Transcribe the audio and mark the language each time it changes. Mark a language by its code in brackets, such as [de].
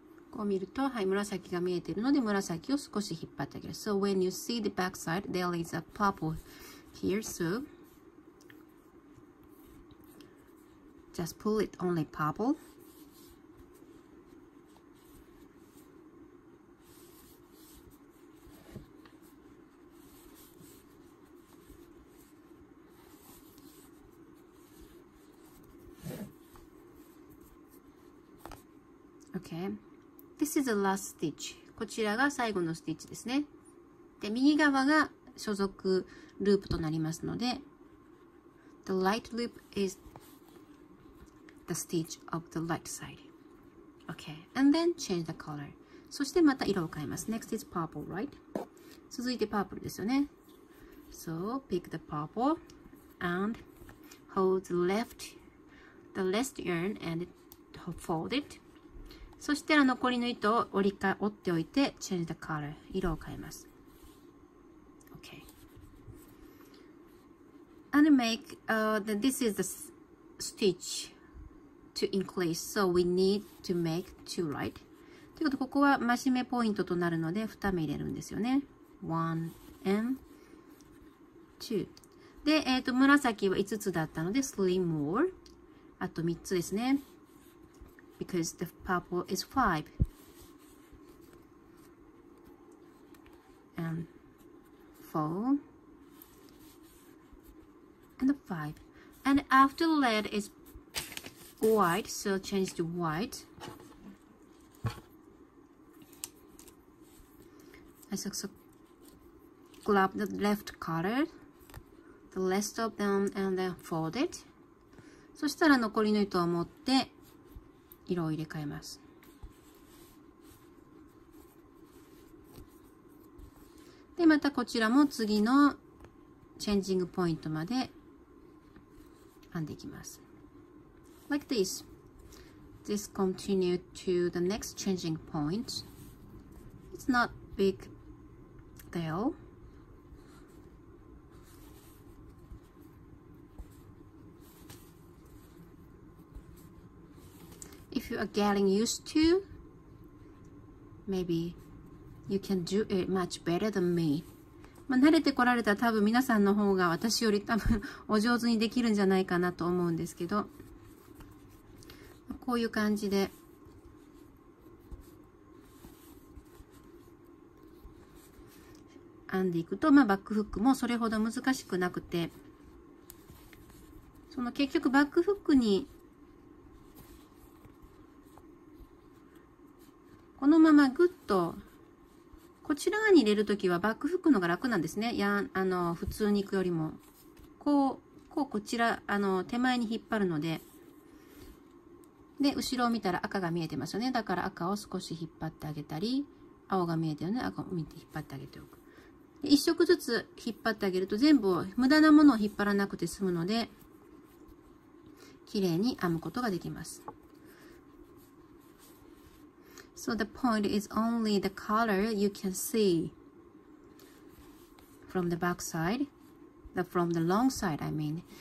[ja] こう見ると、はい、紫が見えているので、紫を少し引っ張ってあげる。 [en] So when you see the backside, there is a purple here. So just pull it only purple. Okay. This is the last stitch. [ja] こちらが最後のステッチですね。で、右側が所属ループとなりますので、 [en] The light loop is the stitch of the light side. Okay. And then change the color. [ja] そしてまた色を変えます。 [en] Next is purple, right? [ja] 続いてパープルですよね。 [en] So, pick the purple and hold the left yarn and fold it. [ja] そして残りの糸を折っておいて、 [en] change the color、 [ja] 色を変えます。Okay. [en] And make, this is the stitch to increase, so we need to make two, right? [ja] ということで、ここは増し目ポイントとなるので、2目入れるんですよね。 [en] 1 and 2. [ja] で、紫は5つだったので、 [en] 3 more。 [ja] あと3つですね。 [en] because the purple is 5. And 4. And 5. And after red is white, so change to white. I also grab the left color, the rest of them, and then fold it. [ja] そしたら残りの糸を持って色を入れ替えます。で、またこちらも次のチェンジングポイントまで編んでいきます。 [en] Like this. This continue to the next changing point. It's not big deal. If you are getting used to, maybe you can do it much better than me. [ja] まあ慣れてこられたら多分皆さんの方が私より多分お上手にできるんじゃないかなと思うんですけど、こういう感じで編んでいくと、まあバックフックもそれほど難しくなくて、その結局バックフックにこのままグッとこちら側に入れるときはバックフックの方が楽なんですね。やん、普通に行くよりも。こうこちら、手前に引っ張るので。で、後ろを見たら赤が見えてますよね。だから赤を少し引っ張ってあげたり、青が見えてるので赤を見て引っ張ってあげておく。で、一色ずつ引っ張ってあげると全部無駄なものを引っ張らなくて済むので、綺麗に編むことができます。 [en] So the point is only the color you can see from the back side, the, from the long side, I mean.